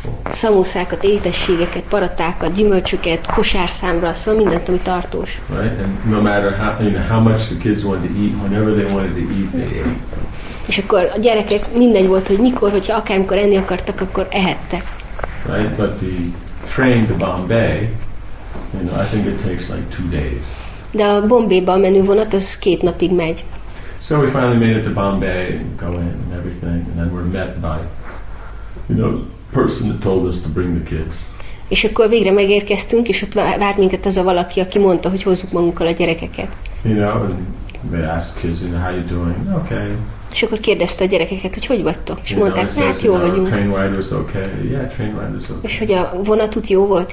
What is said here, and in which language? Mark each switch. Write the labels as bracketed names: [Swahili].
[Hungarian] Szamószákat, étességeket, paratákat, gyümölcsöket, kosárszámra, szóval mindent, ami tartós. [English] Right, and no matter how much the kids wanted to eat, whenever they wanted to eat, they ate. [Hungarian] És akkor a gyerekek mindegy volt, hogy mikor, hogyha akármikor enni akartak, akkor ehettek. [English] Right, but the train to Bombay, you know, I think it takes like 2 days. [Hungarian] De a Bombayba menő vonat, az 2 napig megy. [English] So we finally made it to Bombay and go in and everything, and then we're met by, you know, person that told us to bring the kids. [Hungarian] És akkor végre megérkeztünk, és ott várt minket az a valaki, aki mondta, hogy hozzuk magunkkal a gyerekeket. [English] You know, and they asked kids, you know, how you doing? Okay. [Hungarian] És akkor kérdezte a gyerekeket, hogy hogy vagytok, és mondták, hát jó vagyunk. [English] Train ride was okay. Yeah, train ride was okay. [Hungarian] És hogy a vonatút jó volt?